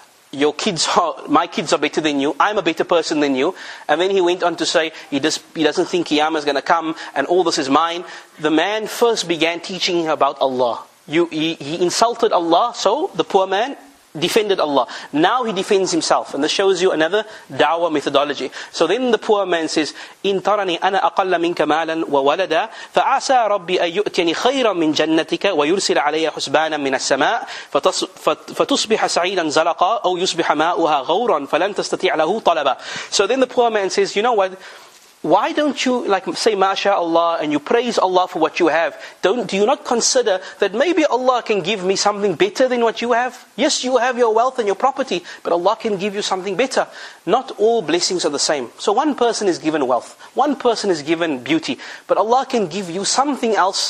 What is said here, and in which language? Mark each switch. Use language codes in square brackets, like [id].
[en] My kids are better than you. I'm a better person than you. And then he went on to say, he doesn't think Qiyamah is going to come and all this is mine. The man first began teaching him about Allah. He insulted Allah, so the poor man defended Allah. Now he defends himself. And this shows you another dawah methodology. So then the poor man says, [ar] إِن تَرَنِي أَنَا أَقَلَّ مِنْكَ مَالًا وَوَلَدًا فَعَسَى رَبِّي أَن يُؤْتِيَنِي خَيْرًا مِنْ جَنَّتِكَ وَيُرْسِلَ عَلَيَّ حُسْبَانًا مِنَ السَّمَاءِ فَتُصْبِحَ سَعِيدًا زَلَقًا أَوْ يُصْبِحَ مَاؤُهَا غَوْرًا فَلَنْ تَسْتَطِيعَ لَهُ طَلَبًا. [en] So then the poor man says, you know what? Why don't you like say mashaAllah and you praise Allah for what you have? Do you not consider that maybe Allah can give me something better than what you have? Yes, you have your wealth and your property, but Allah can give you something better. Not all blessings are the same. So one person is given wealth, one person is given beauty, but Allah can give you something else.